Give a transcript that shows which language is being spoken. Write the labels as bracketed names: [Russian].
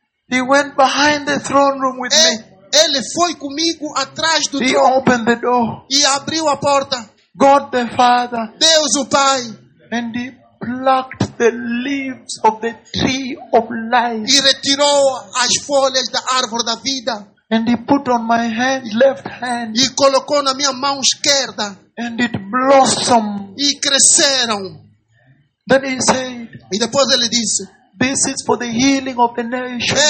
[English] He went behind the throne room with me. [Portuguese] Ele foi comigo atrás do trono. [English] He opened the door. [Portuguese] E abriu a porta. [English] God the Father. [Portuguese] Deus o Pai. [English] And he plucked the leaves of the tree of life. [Portuguese] E retirou as folhas da árvore da vida. [English] And he put on my hand, left hand. [Portuguese] E colocou na minha mão esquerda. [English] And it blossomed. [Portuguese] E cresceram. [English] Then he said, [Portuguese] e depois ele disse, [English] this is for the healing of the nation.